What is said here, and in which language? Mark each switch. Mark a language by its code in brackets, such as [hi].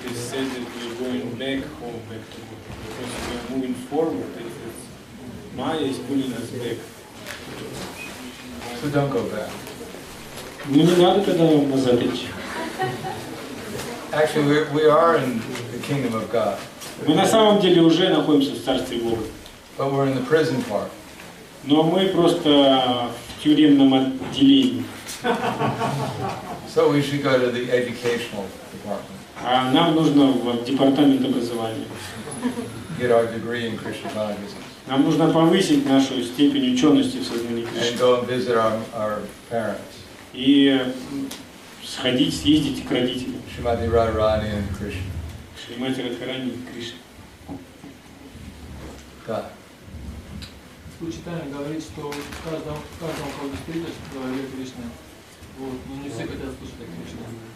[en] Said that we're going back home, back to God. Because we are moving forward, it's Maya is pulling us back. So don't go back. [ru] Ну не надо тогда назад идти. [en] Actually, we are in the kingdom of God. [ru] Мы на самом деле уже находимся в Царстве Бога. [en] But we're in the prison part. [ru] Но мы просто в тюремном отделении. [en] So we should go to the educational department. [ru] А нам нужно в департамент образования. [en] Get our degree in Krishna consciousness. [ru] Нам нужно повысить нашу степень учености в сознании Кришны. [en] And go and visit our parents. [ru] И сходить, съездить к родителям. [en] Shrimati Radharani and Krishna. Shrimati Radharani and Krishna. [ru] Да. Учитель говорит, что в каждом ходе встречи говорит Кришна. Вот, но не все хотят слушать Кришна.